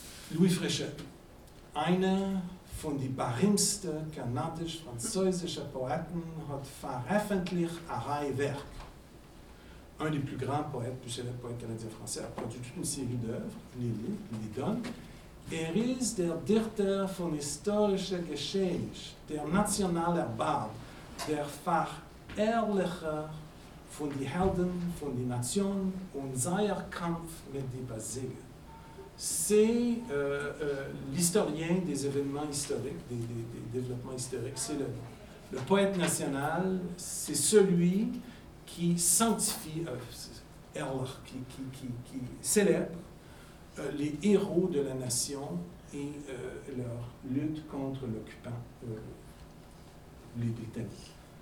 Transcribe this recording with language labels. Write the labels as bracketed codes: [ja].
[de] Louis Fréchette, einer von die berühmtesten kanadisch-französischen Poeten hat veröffentlicht ein Reihe Werk. [fr] Un des plus grands poètes, plus célèbres poètes canadiens-français, a produit toute une série d'œuvres, les donne. [de] Er ist der Dichter von historischer Geschichte, der nationaler Bard, der Verherrlicher von die Helden von die Nation und seiner Kampf mit die Basile. [fr] C'est l'historien des événements historiques, des développements historiques. C'est le poète national, c'est celui qui sanctifie, qui célèbre les héros de la nation et leur lutte contre l'occupant, les Britanniques.